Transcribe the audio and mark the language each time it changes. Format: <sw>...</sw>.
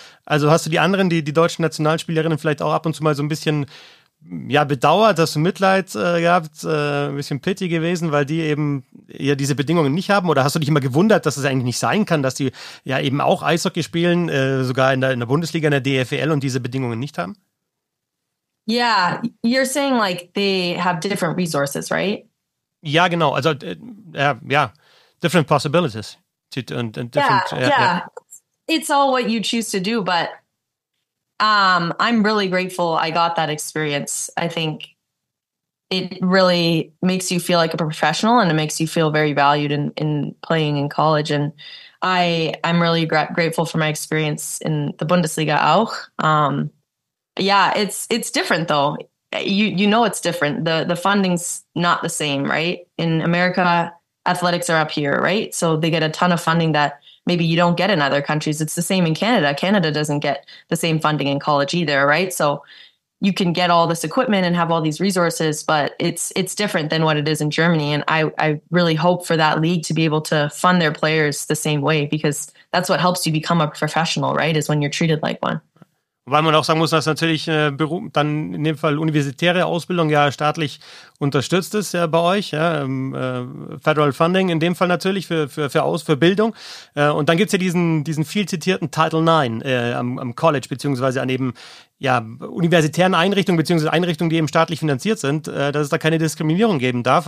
<de>Also hast du die anderen, die deutschen Nationalspielerinnen vielleicht auch ab und zu mal so ein bisschen bedauert, hast du Mitleid gehabt, ein bisschen Pity gewesen, weil die eben ja diese Bedingungen nicht haben? Oder hast du dich immer gewundert, dass es das eigentlich nicht sein kann, dass die ja eben auch Eishockey spielen, sogar in der Bundesliga, in der DFL und diese Bedingungen nicht haben?</de> <en>Yeah, you're saying like they have different resources, right?</en> <de>Ja, genau. Also,</de> <en>different possibilities. It's all what you choose to do, but I'm really grateful I got that experience. I think it really makes you feel like a professional and it makes you feel very valued in playing in college. And I'm really grateful for my experience in the Bundesliga auch. It's different though. You know it's different. The funding's not the same, right? In America, athletics are up here, right? So they get a ton of funding that maybe you don't get in other countries. It's the same in Canada. Canada doesn't get the same funding in college either, right? So you can get all this equipment and have all these resources, but it's different than what it is in Germany. And I really hope for that league to be able to fund their players the same way, because that's what helps you become a professional, right? Is when you're treated like one.</en> <de>Weil man auch sagen muss, dass natürlich dann in dem Fall universitäre Ausbildung ja staatlich unterstützt ist ja bei euch. Ja, Federal Funding in dem Fall natürlich für Bildung. Und dann gibt's ja diesen viel zitierten Title IX am College, beziehungsweise an eben universitären Einrichtungen, beziehungsweise Einrichtungen, die eben staatlich finanziert sind, dass es da keine Diskriminierung geben darf.</de>